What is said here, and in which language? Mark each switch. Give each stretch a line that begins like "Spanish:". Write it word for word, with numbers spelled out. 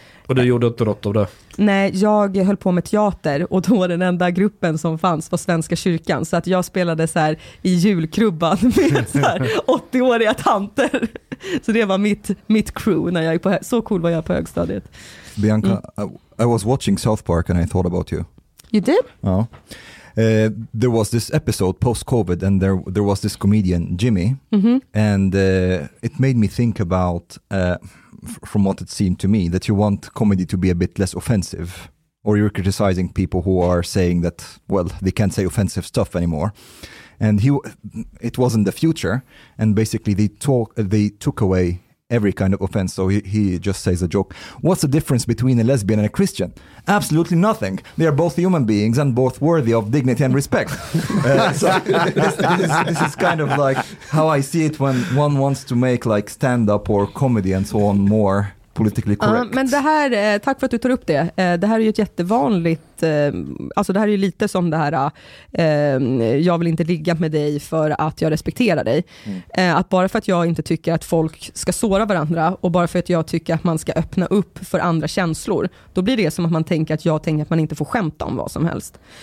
Swedish: Och du gjorde inte något av det? Nej, jag höll på med teater och då den enda gruppen som fanns var Svenska kyrkan. Så att jag spelade så här i julkrubban med så här åttio-åriga tanter. Så det var mitt, mitt crew när jag gick på hö- Så cool var jag på högstadiet. Bianca, mm.
English: I, I was watching South Park and I thought about you. You did?
Swedish: Ja.
English: Uh, there was this episode post-COVID and there there was this comedian, Jimmy. Mm-hmm. And uh, it made me think about... Uh, from what it seemed to me, that you want comedy to be a bit less offensive, or you're criticizing people who are saying that, well, they can't say offensive stuff anymore. And he, it wasn't the future, and basically they talk, they took away every kind of offense. So he, he just says a joke. What's the difference between a lesbian and a Christian? Absolutely nothing. They are both human beings and both worthy of dignity and respect. uh, so this, this, is, this is kind of like how I see it when one wants to make like stand-up or comedy and so on more politically correct.
Swedish: Uh, men det här, tack för att du tar upp det. Det här är ju ett jättevanligt, alltså det här är ju lite som det här uh, jag vill inte ligga med dig för att jag respekterar dig. Mm. Uh, att bara för att jag inte tycker att folk ska såra varandra och bara för att jag tycker att man ska öppna upp för andra känslor, då blir det som att man tänker att jag tänker att man inte får skämta om vad som helst.